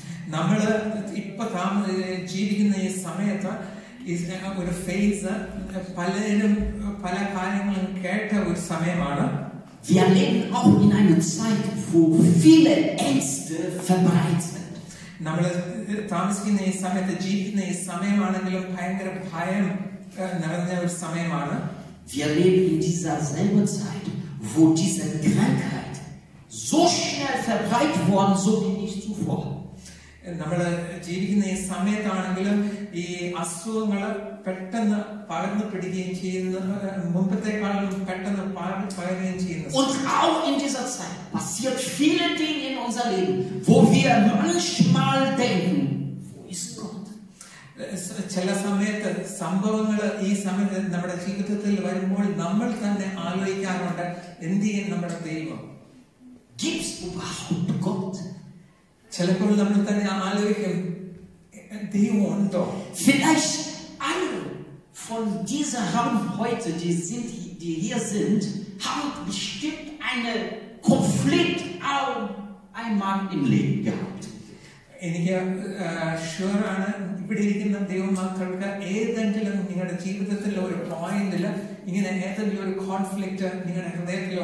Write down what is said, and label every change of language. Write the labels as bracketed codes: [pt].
[de] Wir leben auch in einer Zeit, wo viele Ängste verbreitet sind. [ml] താമസിക്കുന്ന ഈ സമയത്ത് ജീവിക്കുന്ന ഈ സമയമാണെങ്കിലും ഭയങ്കര ഭയം നിറഞ്ഞ ഒരു സമയമാണ്. [de] Wir leben in dieser selben Zeit, wo diese Krankheit so schnell verbreitet worden, so wie nicht zuvor. [ml] നമ്മള് ജീവിക്കുന്ന ഈ സമയത്താണെങ്കിലും ഈ അസുഖങ്ങൾ പെട്ടെന്ന് പകർന്നു പിടിക്കുകയും ചെയ്യുന്ന മുമ്പത്തെക്കാളും പെട്ടെന്ന് പകരുകയും ചെയ്യുന്നു. [de] Und auch in dieser Zeit passiert viele Dinge in unser Leben, wo wir manchmal denken, wo ist Gott? [ml] ചില സമയത്ത് സംഭവങ്ങൾ ഈ സമയത്ത് നമ്മുടെ ജീവിതത്തിൽ വരുമ്പോൾ നമ്മൾ തന്നെ ആലോചിക്കാറുണ്ട്, എന്ത് ചെയ്യും നമ്മുടെ ദൈവം? [de] Gibt's überhaupt Gott? [ml] ചിലപ്പോൾ നമ്മൾ തന്നെ ആലോചിക്കും, ദൈവം ഉണ്ടോ? [de] Vielleicht alle von dieser Raum heute, die hier sind, haben bestimmt einen Konflikt auch einmal im Leben gehabt. [ml] എനിക്ക് ഷുവറാണ് ഇവിടെ ഇരിക്കുന്ന ദൈവമക്കൾക്ക് ഏതെങ്കിലും നിങ്ങളുടെ ജീവിതത്തിൽ ഒരു പോയിന്റിൽ ഇങ്ങനെ ഏതെങ്കിലും ഒരു കോൺഫ്ലിക്റ്റ് നിങ്ങളുടെ ഹൃദയത്തിൽ